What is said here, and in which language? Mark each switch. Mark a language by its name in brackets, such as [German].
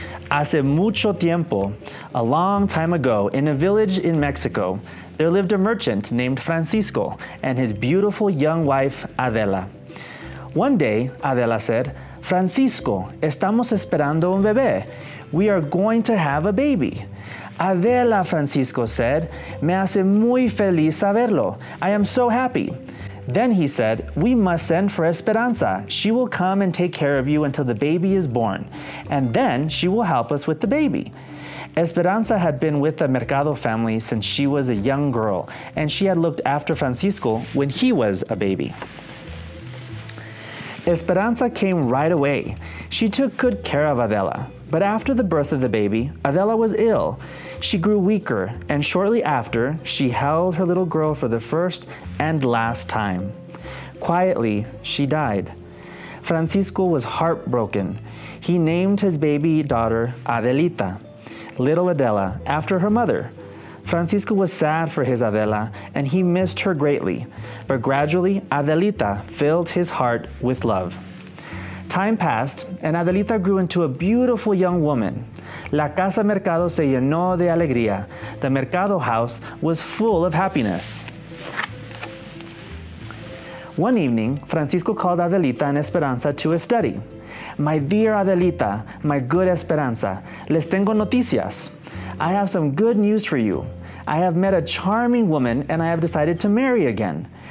[Spanish] Hace mucho tiempo, [English] a long time ago, in a village in Mexico, there lived a merchant named Francisco and his beautiful young wife, Adela. One day, Adela said, Francisco, [Spanish] estamos esperando un bebé. [English] We are going to have a baby. [Spanish] Adela, Francisco said, me hace muy feliz saberlo. [English] I am so happy. Then he said, we must send for Esperanza. She will come and take care of you until the baby is born. And then she will help us with the baby. Esperanza had been with the Mercado family since she was a young girl, and she had looked after Francisco when he was a baby. Esperanza came right away. She took good care of Adela. But after the birth of the baby, Adela was ill. She grew weaker, and shortly after, she held her little girl for the first and last time. Quietly, she died. Francisco was heartbroken. He named his baby daughter Adelita, little Adela, after her mother. Francisco was sad for his Adela, and he missed her greatly. But gradually, Adelita filled his heart with love. Time passed, and Adelita grew into a beautiful young woman. [Spanish] La Casa Mercado se llenó de alegría. [English] The Mercado house was full of happiness. One evening, Francisco called Adelita and Esperanza to his study. My dear Adelita, my good Esperanza, [Spanish] les tengo noticias. [English] I have some good news for you. I have met a charming woman, and I have decided to marry again.